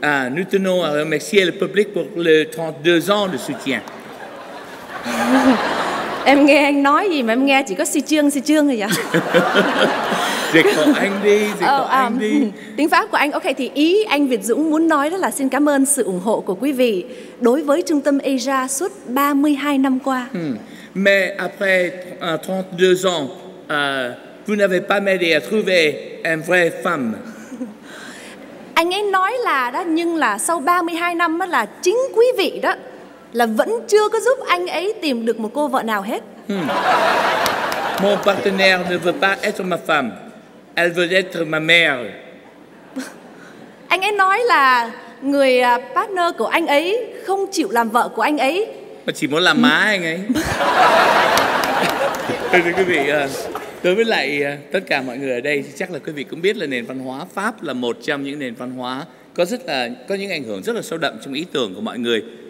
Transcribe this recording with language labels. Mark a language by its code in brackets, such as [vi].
[fr] Nous tenons à remercier le public pour le 32 ans de soutien. [vi] Em nghe anh nói gì mà em nghe chỉ có si chương rồi vậy? Dịch của anh đi, dịch của anh đi. Tiếng Pháp của anh, ok, thì ý anh Việt Dũng muốn nói đó là xin cảm ơn sự ủng hộ của quý vị đối với Trung tâm Asia suốt 32 năm qua. [fr] Mais après 32 ans, vous n'avez pas m'aidé à trouver une vraie femme. [vi] Anh ấy nói là đó, nhưng là sau 32 năm đó là chính quý vị đó là vẫn chưa có giúp anh ấy tìm được một cô vợ nào hết. [fr] Mon partenaire ne veut pas être ma femme. Elle veut être ma mère. [vi] Anh ấy nói là người partner của anh ấy không chịu làm vợ của anh ấy. Mà chỉ muốn làm má anh ấy. Thưa quý vị, đối với lại tất cả mọi người ở đây thì chắc là quý vị cũng biết là nền văn hóa Pháp là một trong những nền văn hóa có những ảnh hưởng rất là sâu đậm trong ý tưởng của mọi người.